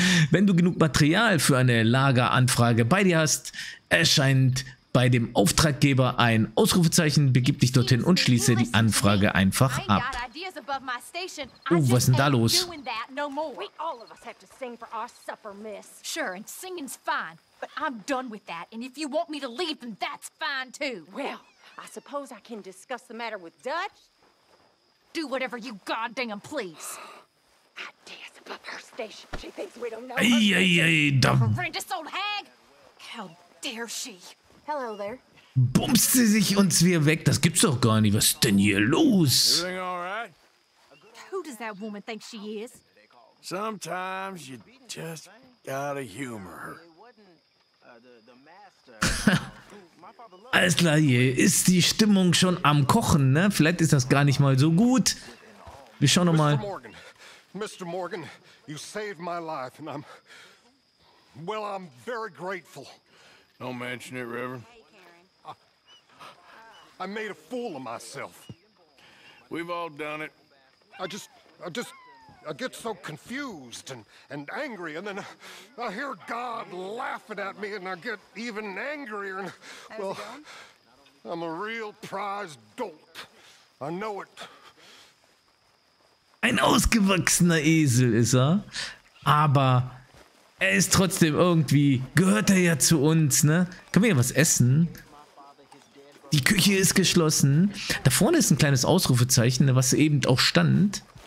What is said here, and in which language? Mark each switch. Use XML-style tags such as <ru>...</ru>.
<de>Wenn du genug Material für eine Lageranfrage bei dir hast, erscheint bei dem Auftraggeber ein Ausrufezeichen, begib dich dorthin und schließe die Anfrage einfach ab. Oh, was ist denn da los?</de> <en>We all of us have to sing for our supper, miss. Sure, and singing's fine, but I'm done with that. And if you want me to leave, then that's fine too. Well, I suppose I can discuss the matter with Dutch. Do whatever you goddamn please. Ideas above her station. She thinks we don't know her. Ay, dumb. Horrendous old hag. How dare she? Hello there.</en> <de>Bumst sie sich uns wieder weg? Das gibt's doch gar nicht. Was denn hier los?</de> <en>Everything all right? Who does that woman think she is? Sometimes you just gotta humor her.</en> <de>Alles klar, hier ist die Stimmung schon am Kochen, ne? Vielleicht ist das gar nicht mal so gut. Wir schauen nochmal.</de> <en>Mr. Morgan, you saved my life, and I'm, well, I'm very grateful. Don't mention it, Reverend. I made a fool of myself. We've all done it. I get so confused and angry, and then I hear God laughing at me, and I get even angrier, and, well, I'm a real prize dolt. I know it.</en> <de>Ein ausgewachsener Esel ist er, aber er ist trotzdem irgendwie, gehört er ja zu uns, ne? Können wir hier was essen? Die Küche ist geschlossen. Da vorne ist ein kleines Ausrufezeichen, was eben auch stand.</de>